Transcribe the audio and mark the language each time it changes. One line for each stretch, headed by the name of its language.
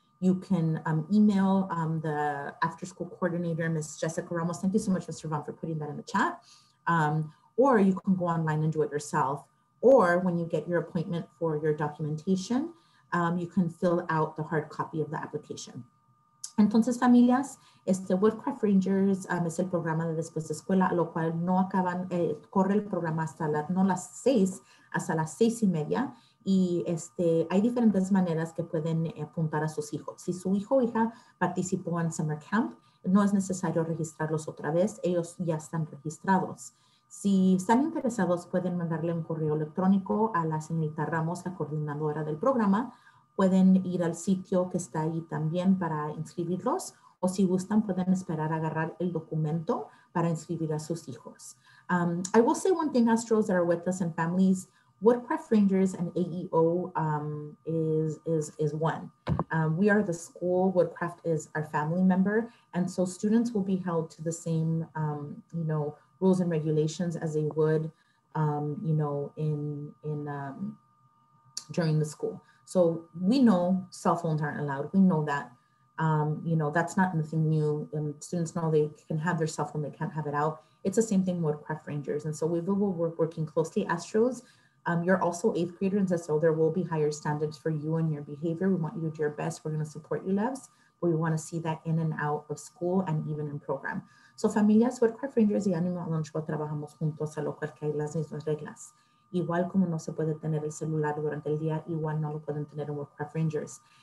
English: You can email the after-school coordinator, Ms. Jessica Ramos. Thank you so much, Mr. Vaughn, for putting that in the chat. Or you can go online and do it yourself. Or when you get your appointment for your documentation, you can fill out the hard copy of the application.
Spanish: Entonces, familias, Woodcraft Rangers es el programa de después de escuela, lo cual no acaban, corre el programa hasta las 6, hasta las 6:30. Y hay diferentes maneras que pueden apuntar a sus hijos. Si su hijo o hija participó en summer camp, no es necesario registrarlos otra vez, ellos ya están registrados. Si están interesados, pueden mandarle un correo electrónico a la señorita Ramos, la coordinadora del programa. Pueden ir al sitio que está ahí también para inscribirlos, o si gustan, pueden esperar a agarrar el documento para inscribir a sus hijos.
English: I will say one thing, Astros that are with us and families, Woodcraft Rangers and AEO is one. We are the school, Woodcraft is our family member, and so students will be held to the same rules and regulations as they would during the school. So we know cell phones aren't allowed. We know that, that's not anything new. Students know they can have their cell phone, they can't have it out. It's the same thing with Woodcraft Rangers. And so we will work working closely, Astros. You're also eighth graders, and so there will be higher standards for you and your behavior. We want you to do your best. We're gonna support you, loves, but we wanna see that in and out of school and even in program.
Spanish: So familias, Woodcraft Rangers y Animal Lunch, trabajamos juntos a lo cual que hay las mismas reglas. igual como no se puede tener el celular durante el día, igual no lo pueden tener en Work Craft Rangers.